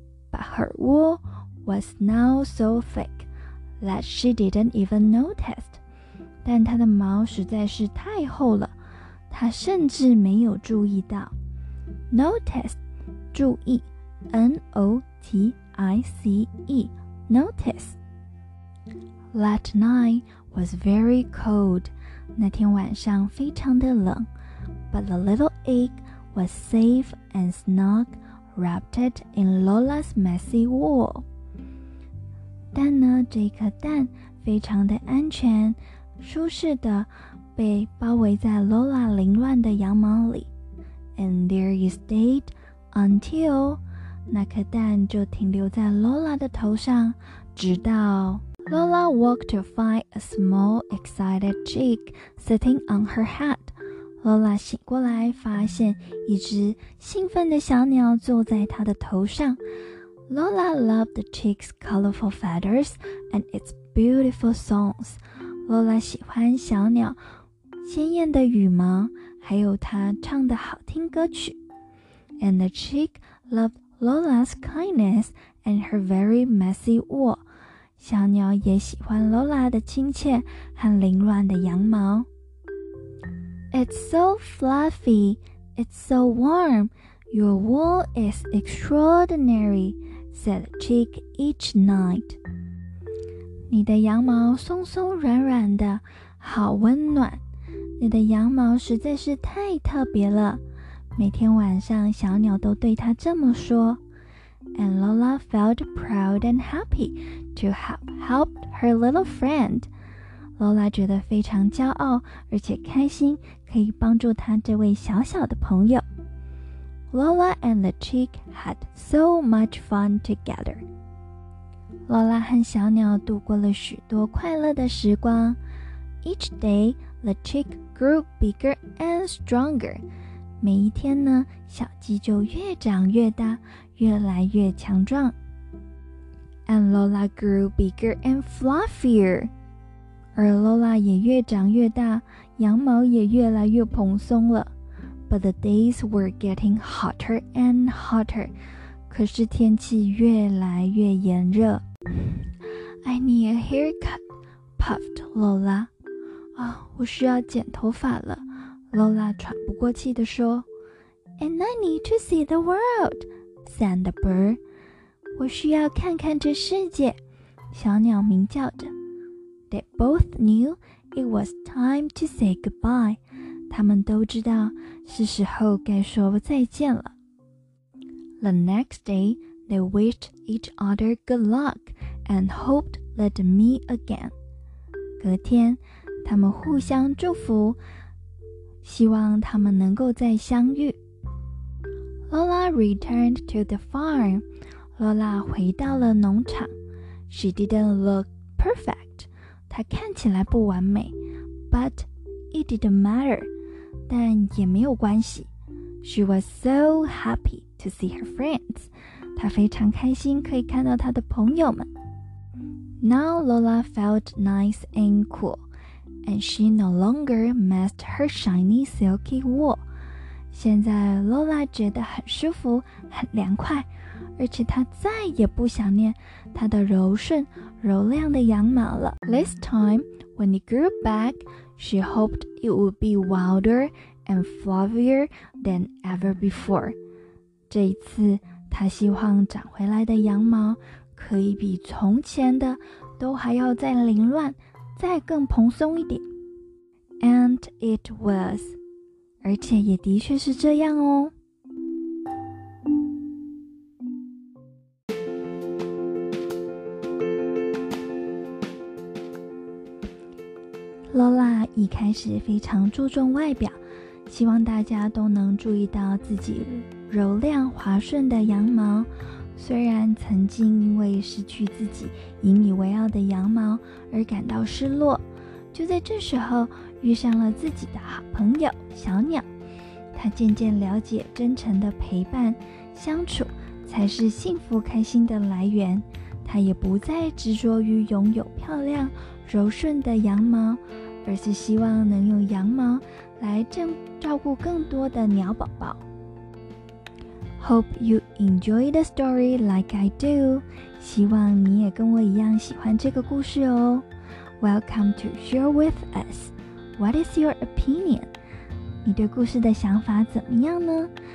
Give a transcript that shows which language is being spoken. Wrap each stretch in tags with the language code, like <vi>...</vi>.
<en>But her wool was now so thick that she didn't even notice.</en> <zh>但她的毛实在是太厚了，她甚至没有注意到。</zh> <en>Notice, 注意 N-O-T-I-C-E, notice. That night,was very cold,</en> <zh>那天晚上非常的冷,</zh> <en>but the little egg was safe and snug, wrapped in Lola's messy wool.</en> <zh>但呢,这颗蛋非常的安全,舒适的被包围在 Lola 凌乱的羊毛里。</zh> <en>And there you stayed until,</en> <zh>那颗蛋就停留在 Lola 的头上,直到</zh> <en>Lola walked to find a small, excited chick sitting on her head.</en> <zh>Lola 醒过来，发现一只兴奋的小鸟坐在她的头上。</zh> <en>Lola loved the chick's colorful feathers and its beautiful songs.</en> <zh>Lola 喜欢小鸟鲜艳的羽毛，还有它唱的好听歌曲。</zh> <en>And the chick loved Lola's kindness and her very messy wool.</en> <zh>小鸟也喜欢 Lola 的亲切和凌乱的羊毛。</zh> <en>It's so fluffy, it's so warm, your wool is extraordinary, said Chick each night.</en> <zh>你的羊毛松松软软的，好温暖。你的羊毛实在是太特别了，每天晚上小鸟都对它这么说。</zh> <en>And Lola felt proud and happy to have helped her little friend.</en> <zh>Lola 觉得非常骄傲，而且开心可以帮助她这位小小的朋友。</zh> <en>Lola and the chick had so much fun together.</en> <zh>Lola 和小鸟度过了许多快乐的时光。</zh> <en>Each day, the chick grew bigger and stronger.</en> <zh>每一天呢，小鸡就越长越大。越来越强壮。</zh> <en>And Lola grew bigger and fluffier.</en> <zh>而 Lola 也越长越大，羊毛也越来越蓬松了。</zh> <en>But the days were getting hotter and hotter. 可是天气越来越炎热。I need a haircut, puffed Lola.</en> <zh>啊，我需要剪头发了。Lola 喘不过气地说。</zh> <en>And I need to see the world. Sand the bird.</en> <zh>我需要看看这世界，小鸟鸣叫着。</zh> <en>They both knew it was time to say goodbye.</en> <zh>他们都知道是时候该说再见了。</zh> <en>The next day, they wished each other good luck and hoped they'd meet again.</en> <zh>隔天，他们互相祝福，希望他们能够再相遇。</zh> <en>Lola returned to the farm.</en> <zh>Lola 回到了农场。</zh> <en>She didn't look perfect.</en> <zh>她看起来不完美。</zh> <en>But it didn't matter.</en> <zh>但也没有关系。</zh> <en>She was so happy to see her friends.</en> <zh>她非常开心可以看到她的朋友们。</zh> <en>Now Lola felt nice and cool. And she no longer missed her shiny silky wool.</en> <zh>现在 Lola 觉得很舒服很凉快，而且她再也不想念她的柔顺柔亮的羊毛了。</zh> <en>This time, when it grew back, She hoped it would be wilder and fluffier than ever before.</en> <zh>这一次，她希望长回来的羊毛可以比从前的都还要再凌乱，再更蓬松一点。</zh> <en>And it was.</en> <zh>而且也的确是这样哦。 Lola 一开始非常注重外表，希望大家都能注意到自己柔亮滑顺的羊毛。虽然曾经因为失去自己引以为傲的羊毛而感到失落，就在这时候遇上了自己的好朋友小鸟。她渐渐了解真诚的陪伴相处才是幸福开心的来源。她也不再执着于拥有漂亮柔顺的羊毛，而是希望能用羊毛来照顾更多的鸟宝宝。</zh> <en>Hope you enjoy the story like I do.</en> <zh>希望你也跟我一样喜欢这个故事哦。</zh> <en>Welcome to share with us. What is your opinion?</en> <zh>你对故事的想法怎么样呢？</zh>